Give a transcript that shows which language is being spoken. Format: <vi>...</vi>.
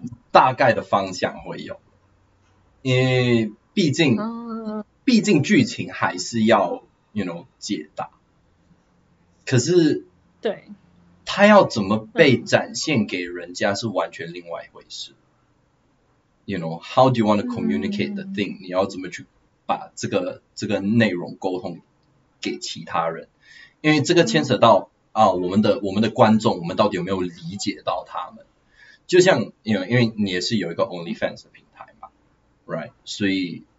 <zh>大概的方向会有，因为毕竟剧情还是要</zh> <en>you know</en> <zh>解答，可是对，他要怎么被展现给人家是完全另外一回事。</zh> <en>You know how do you want to communicate the thing？</en> <zh>你要怎么去把这个内容沟通给其他人？因为这个牵扯到啊我们的观众，我们到底有没有理解到他们？就像</zh> <en>you know,</en> <zh>因为你也是有一个 OnlyFans 的平台嘛 ，</zh> <en>right？</en> <zh>所以</zh>